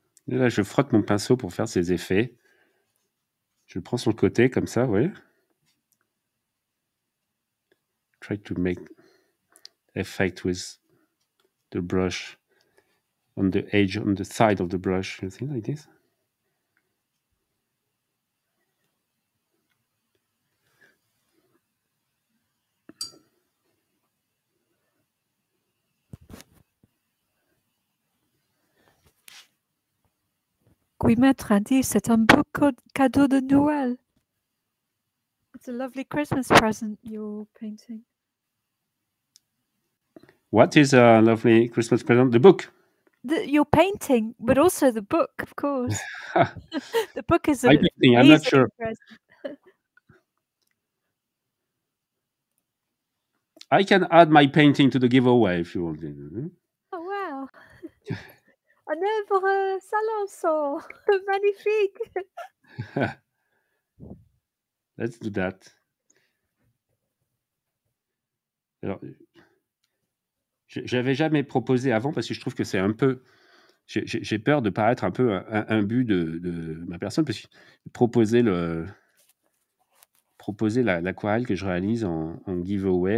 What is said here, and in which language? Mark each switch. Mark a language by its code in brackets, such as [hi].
[fr] Là, je frotte mon pinceau pour faire ses effets. Je le prends sur le côté, comme ça, oui. [en] Try to make effect with the brush on the edge, on the side of the brush. You see like this? [fr] Oui, maître Andy, c'est un beau cadeau de Noël. [en] It's a lovely Christmas present, your painting. What is a lovely Christmas present? The book. Your painting, but also the book, of course. The book is a painting, I'm not sure. I can add my painting to the giveaway if you want. Oh, wow. [fr] Un œuvre Salonceau, magnifique. [en] Let's do that. [fr] Alors, j'avais jamais proposé avant parce que je trouve que c'est un peu, j'ai peur de paraître un peu imbu de ma personne parce que proposer l'aquarelle que je réalise en giveaway.